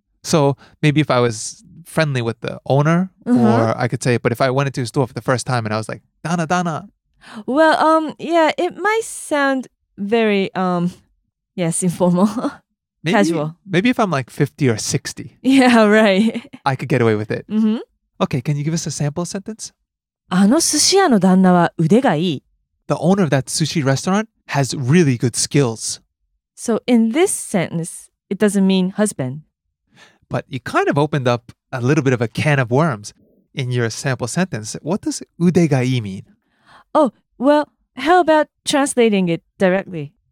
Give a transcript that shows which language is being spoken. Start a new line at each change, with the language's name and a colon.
English: So maybe if I was friendly with the owner or I could say it, but if I went into a store for the first time and I was like, danna, danna. Well, yeah, it might sound very, yes, informal. Maybe, casual. Maybe if I'm like 50 or 60. Yeah, right. I could get away with it. Mm-hmm. Okay, can you give us a sample sentence?
Japanese: あの寿司屋の旦那は腕がいい。
English: The owner of that sushi restaurant has really good skills. So in this sentence, it doesn't mean husband. But you kind of opened up a little bit of a can of worms in your sample sentence. What does
Japanese: 腕がいい
English: mean? Oh, well, how about translating it directly?